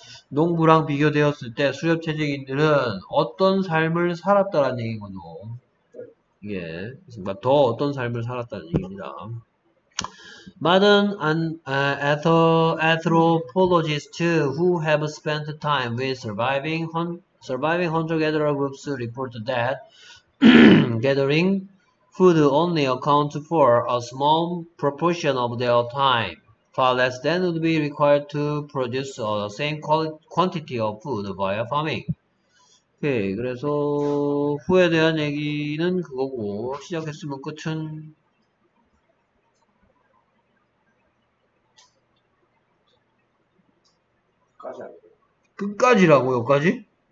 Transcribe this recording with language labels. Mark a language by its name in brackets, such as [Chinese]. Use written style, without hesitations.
[Korean] 농부랑 비교되었을 때 수렵 채집인들은 어떤 삶을 살았다라는 얘기거든. 이게 더 어떤 삶을 살았다는 얘기입니다. [English] Modern anthropologists who have spent time with surviving hunter-gatherer groups report that gathering food only accounts for a small proportion of their time. Far less than would be required to produce the same quantity of food via farming. [Korean] 오케이, 그래서 후에 대한 얘기는 그거고, 시작했으면 끝은. 끝까지라고, 여기까지?